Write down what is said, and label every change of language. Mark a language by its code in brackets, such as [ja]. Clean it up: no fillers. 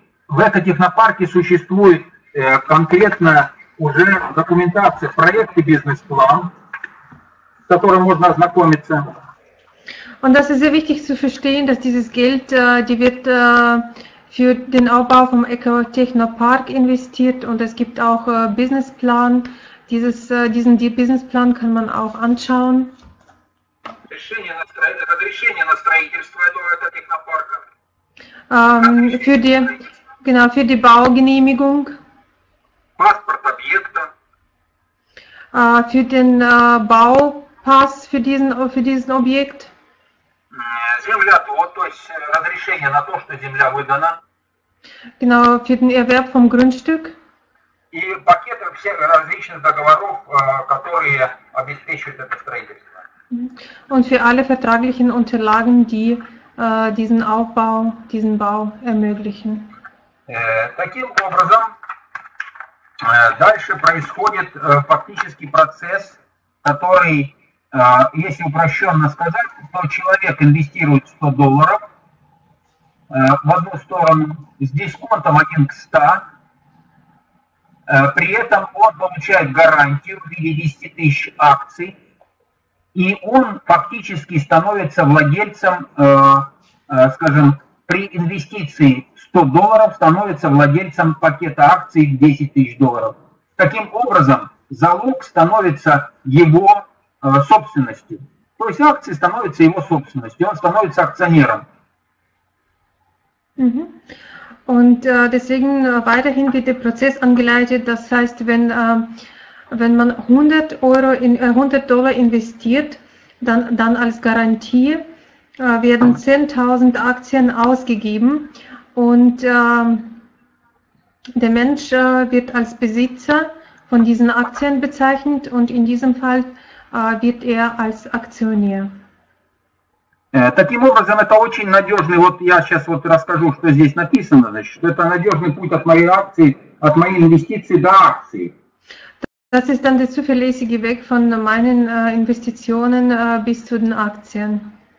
[ru] В экотехнопарке существует конкретная уже документация, проект и бизнес-план, с которым можно ознакомиться. [de] Und das ist sehr wichtig zu verstehen, dass dieses Geld, die wird für den Aufbau vom Ecotechnopark investiert und es gibt auch Businessplan. Diesen Businessplan kann man auch anschauen. [ru] Разрешение на строительство этого Ecotechnoparka. [de] Für die Baugenehmigung. [ru] Паспорт объекта. [de] Für den Baupass für diesen Objekt. [ru] Землетрус, то есть разрешение на то, что земля выдана. [de] Genau, für den Erwerb vom Grundstück. [ru] И пакет всех различных договоров, которые обеспечивают это строительство. [de] Und für alle vertraglichen Unterlagen, die diesen Aufbau, diesen Bau ermöglichen. [ru] Таким образом, дальше происходит фактически процесс, который, если упрощенно сказать, то человек инвестирует $100 в одну сторону с дисконтом 1 к 100, При этом он получает гарантию в виде 10 тысяч акций, и он фактически становится владельцем, скажем, при инвестиции $100 становится владельцем пакета акций $10 000. Таким образом, залог становится его собственностью. То есть акции становятся его собственностью, он становится акционером. [de] Und deswegen weiterhin wird der Prozess angeleitet. Das heißt, wenn man 100 Euro in 100 Dollar investiert, dann als Garantie werden 10.000 Aktien ausgegeben und der Mensch wird als Besitzer von diesen Aktien bezeichnet und in diesem Fall wird er als Aktionär. [ru] Таким образом, это очень надежный, вот я сейчас вот расскажу, что здесь написано, значит, что это надежный путь от моей акции, от моей инвестиции до акции. [de] Das ist dann der zuverlässige Weg von meinen Investitionen bis zu den Aktien.